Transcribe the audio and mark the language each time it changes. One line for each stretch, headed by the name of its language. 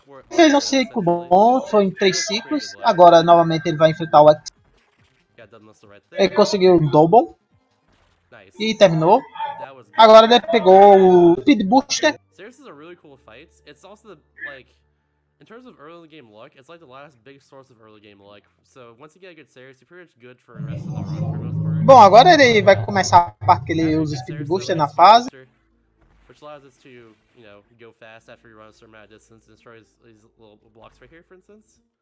Portuguese: Fez um ciclo bom, foi em 3 ciclos. Agora novamente ele vai enfrentar o X. Ele conseguiu o double. E terminou. Agora ele pegou o Speed Booster. Ceres é uma
English: really cool fight. It's also the, like, in terms of early game luck, it's like the last big source of early game luck. So once you get a good Ceres, you're pretty much good for the rest of the run.
Portuguese: Bom, agora ele vai começar a parte que ele usa o Speed Booster na fase.
English: Which allows us to, you know, go fast after you run a certain amount of distance and destroy these little blocks right here, for instance.